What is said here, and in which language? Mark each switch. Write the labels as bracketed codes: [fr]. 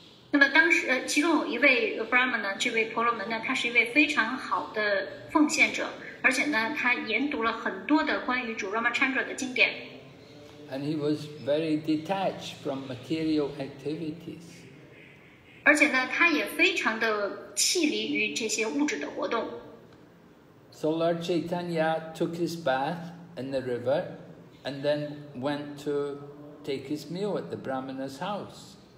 [zh] 那么当时，其中有一位Brahmana，这位婆罗门呢，他是一位非常好的奉献者，而且呢，他研读了很多的关于主Ramachandra的经典。 [en] And he was very detached from material activities. [zh] 而且呢，他也非常的弃离于这些物质的活动。 [en] So Lord Chaitanya took his bath in the river and then went to take his meal at the Brahmana's house.